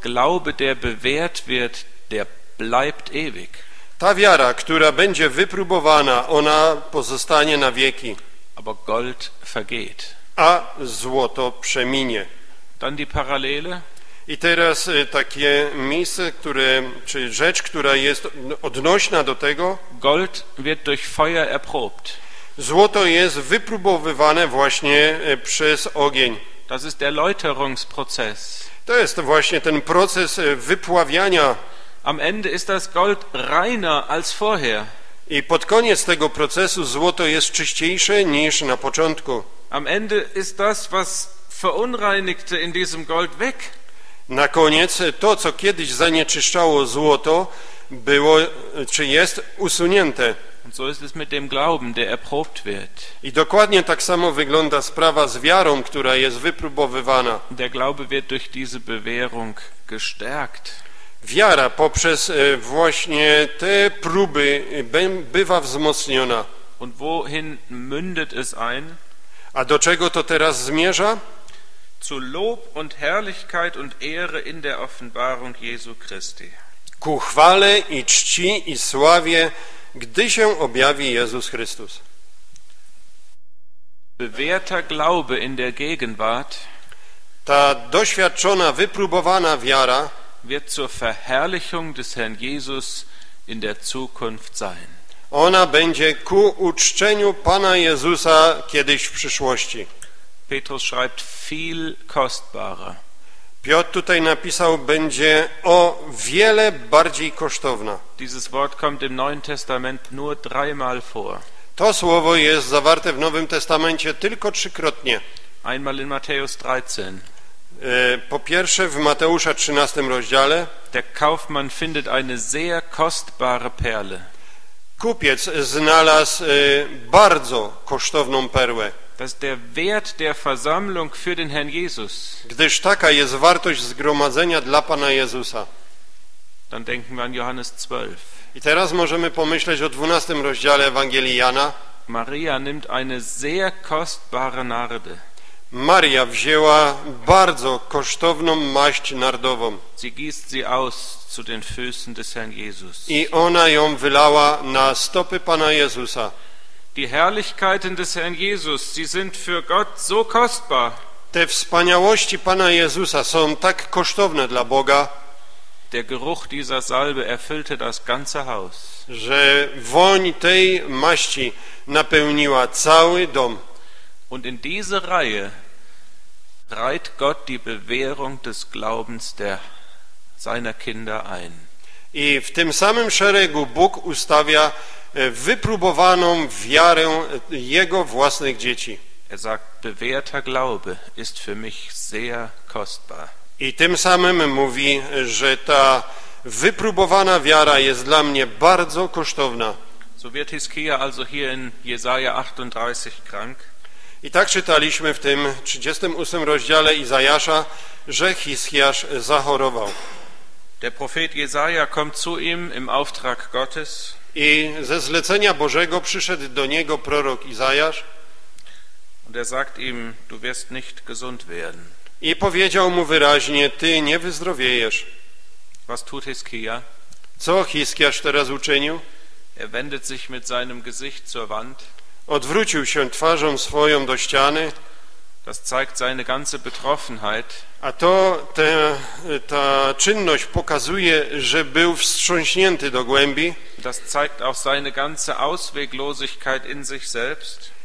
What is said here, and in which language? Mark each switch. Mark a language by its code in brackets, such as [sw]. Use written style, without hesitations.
[de] Glaube, der bewährt wird, der bleibt ewig. [pl] Ta wiara, która będzie wypróbowana, ona pozostanie na wieki. [de] Aber Gold vergeht. [pl] A złoto przeminie. [de] Dann die Parallele. [pl] I teraz takie miejsce, które, czy rzecz, która jest odnośna do tego. [de] Gold wird durch Feuer erprobt. [pl] Złoto jest wypróbowywane właśnie przez ogień. [de] Das ist der Läuterungsprozess. [pl] To jest właśnie ten proces wypławiania. [de] Am Ende ist das Gold reiner als vorher. [pl] I pod koniec tego procesu złoto jest czyściejsze niż na początku. [de] Am Ende ist das, was verunreinigte in diesem Gold weg. [pl] Na koniec to, co kiedyś zanieczyszczało złoto, było, czy jest usunięte. [de] Und so ist es mit dem Glauben, der erprobt wird. [pl] I dokładnie tak samo wygląda sprawa z wiarą, która jest wypróbowywana. [de] Der Glaube wird durch diese Bewährung gestärkt. [pl] Wiara poprzez właśnie te próby bywa wzmocniona. [de] Und wohin mündet es ein? [pl] A do czego to teraz zmierza? [de] Zu Lob und Herrlichkeit und Ehre in der Offenbarung Jesu Christi. [pl] Ku chwale i czci i sławie, gdy się objawi Jezus Chrystus. [de] Bewährter Glaube in der Gegenwart. [pl] Ta doświadczona, wypróbowana wiara [de] wird zur Verherrlichung des Herrn Jesus in der Zukunft sein. [pl] Ona będzie ku uczczeniu Pana Jezusa kiedyś w przyszłości. [de] Petrus schreibt viel kostbarer. [pl] Piotr tutaj napisał, będzie o wiele bardziej kosztowna. [de] Dieses Wort kommt im Neuen Testament nur dreimal vor. [pl] To słowo jest zawarte w Nowym Testamencie tylko trzykrotnie. [de] Einmal in Matthäus 13. [pl] Po pierwsze w Mateusza 13 rozdziale. [de] Der Kaufmann findet eine sehr kostbare Perle. [pl] Kupiec znalazł bardzo kosztowną perłę. [de] Das ist der Wert der Versammlung für den Herrn Jesus. [pl] Gdyż taka jest wartość zgromadzenia dla Pana Jezusa. [de] Dann denken wir an Johannes 12. [pl] I teraz możemy pomyśleć o 12 rozdziale Ewangelii Jana. [de] Maria nimmt eine sehr kostbare Narde. [pl] Maria wzięła bardzo kosztowną maść nardową. [de] Sie gießt sie aus zu den Füßen des Herrn Jesus. [pl] I ona ją wylała na stopy Pana Jezusa. [de] Die Herrlichkeiten des Herrn Jesus, sie sind für Gott so kostbar. [pl] Te wspaniałości Pana Jezusa są tak kosztowne dla Boga. [de] Der Geruch dieser Salbe erfüllte das ganze Haus. [pl] Że woń tej maści napełniła cały dom. [de] Und in diese Reihe reiht Gott die Bewährung des Glaubens der seiner Kinder ein. [pl] I w tym samym szeregu Bóg ustawia wypróbowaną wiarę jego własnych dzieci. [de] Er sagt, bewährter Glaube ist für mich sehr kostbar. [pl] I tym samym mówi, że ta wypróbowana wiara jest dla mnie bardzo kosztowna. [de] So wird Hiskia also hier in Jesaja 38 krank. [pl] I tak czytaliśmy w tym 38 rozdziale Izajasza, że Hiskiasz zachorował. [de] Der Prophet Jesaja kommt zu ihm im Auftrag Gottes. [pl] I ze zlecenia Bożego przyszedł do niego prorok Izajasz. [de] Und er sagt ihm, du wirst nicht gesund werden. [pl] I powiedział mu wyraźnie, ty nie wyzdrowiejesz. [de] Was tut Hiskia? [pl] Co Hiskiasz teraz uczynił? [de] Er wendet sich mit seinem Gesicht zur Wand. [pl] Odwrócił się twarzą swoją do ściany. [de] Das zeigt seine ganze Betroffenheit. [pl] A to ta czynność pokazuje, że był wstrząśnięty do głębi. [de] Das zeigt auch seine ganze Ausweglosigkeit in sich selbst.